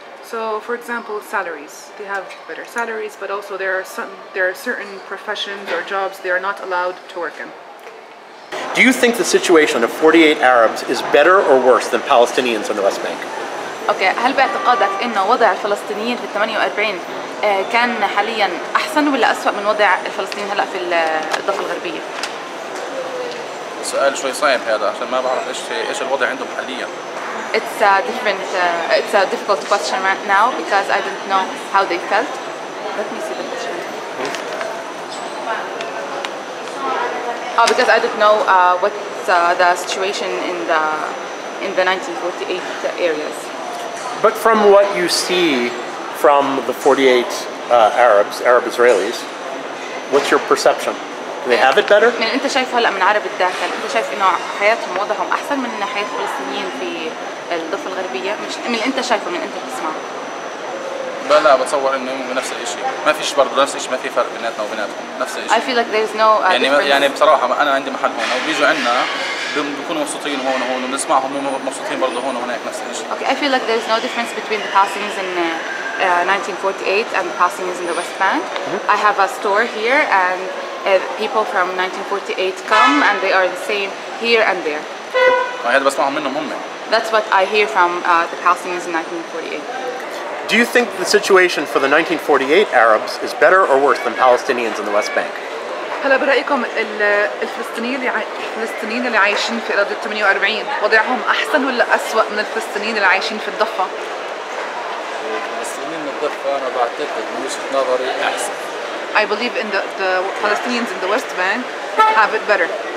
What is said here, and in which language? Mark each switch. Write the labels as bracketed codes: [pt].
[en] So for example salaries they have better salaries but also there are certain professions or jobs they are not allowed to work in. Do you think the situation of 48 Arabs is better or worse than Palestinians in the West Bank? [ar] اوكي هل باعتقادك انه وضع الفلسطينيين في 48 كان حاليا احسن ولا اسوأ من وضع الفلسطينيين هلا في الضفة الغربية؟ سؤال شوي صعب هذا عشان ما بعرف ايش الوضع عندهم حاليا. [en] It's a different it's a difficult question right now because I don't know how they felt. Let me see the question. Because I don't know what the situation in the 1948 areas. But from what you see from the 48 Arabs, Arab Israelis, what's your perception? Do they have it better? [ar] من انت شايف هلا من عرب الداخل انت شايف انه حياتهم وضعهم احسن من حياة الفلسطينيين في الضفة الغربية مش من انت شايفه من انت بتسمع لا بتصور انه نفس الشيء ما فيش برضه نفس الشيء ما في فرق بيناتنا وبيناتهم نفس الشيء [en] I feel like there's no [ar] يعني يعني بصراحة انا عندي محل هون وبيجوا عندنا بيكونوا مبسوطين هون وهون وبنسمعهم هم مبسوطين برضه هون وهناك نفس الشيء [en] Okay I feel like there's no difference between the Palestinians in 1948 and the Palestinians in the West Bank I have a store here and people from 1948 come and they are the same here and there [ar] هذا بسمعهم منهم هم [en] That's what I hear from the Palestinians in 1948 Do you think the situation for the 1948 Arabs is better or worse than Palestinians in the West Bank? [ar] هلا برأيكم الفلسطينيين اللي عايشين في أراضي 48 وضعهم أحسن ولا أسوأ من الفلسطينيين اللي عايشين في الضفة؟ الفلسطينيين الضفة أنا بعتقد من وجهة نظري أحسن. [en] I believe in the Palestinians in the West Bank have it better.